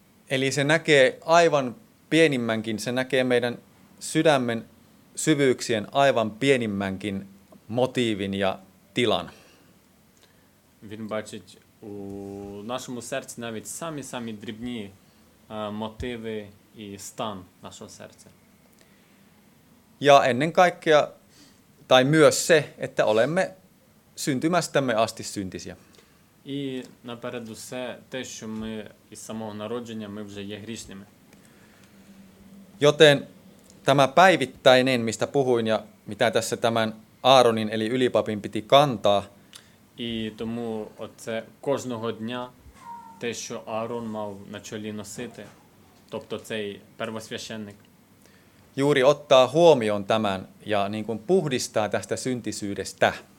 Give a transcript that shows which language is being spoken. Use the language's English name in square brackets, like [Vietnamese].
[Finnish] Eli se näkee aivan pienimmänkin, se näkee meidän sydämen syvyyksien aivan pienimmänkin motiivin ja tilan. [Ukrainian] Він бачить у нашому серці навіть самі дрібні мотиви і стан нашого серця. [Finnish] Ja ennen kaikkea tai myös se, että olemme syntymästämme asti syntisiä. [Ukrainian] І наперед усе те, що ми із самого народження ми вже є грішними. [Finnish] Joten tämä päivittäinen, mistä puhuin ja mitä tässä tämän Aaronin eli ylipapin piti kantaa. [Ukrainian] І тому оце кожного дня те, що Аарон мав на чолі носити, тобто цей первосвященник. [Finnish] Juuri ottaa huomioon tämän ja niin kuin puhdistaa tästä syntisyydestä.